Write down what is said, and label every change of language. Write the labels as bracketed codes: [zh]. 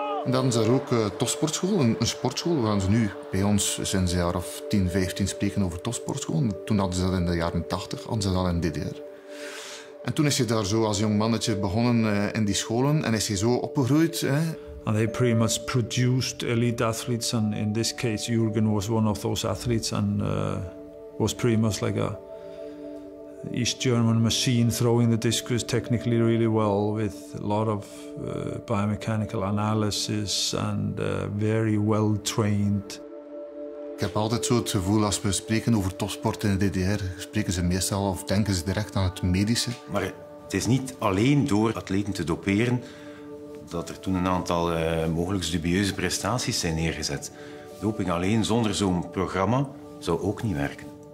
[nl] Dan is er ook topsportschool, een sportschool. Waar ze nu bij ons sinds een jaar of 10, 15 spreken over topsportschool. Toen hadden ze dat in de jaren 80, hadden ze dat in DDR. En toen is je daar zo als jong mannetje begonnen in die scholen en is je zo opgegroeid. [en] And they pretty much produced elite athletes, and in this case, Jurgen was one of those athletes, and was pretty much like a East German machine, throwing the discus technically really well, with a lot of biomechanical analysis and very well trained. [nl] Ik heb altijd zo het gevoel als we spreken over topsport in de DDR, spreken ze meestal of denken ze direct aan het medische. Maar het is niet alleen door atleten te doperen dat er toen een aantal mogelijk dubieuze prestaties zijn neergezet. Doping alleen zonder zo'n programma zou ook niet werken.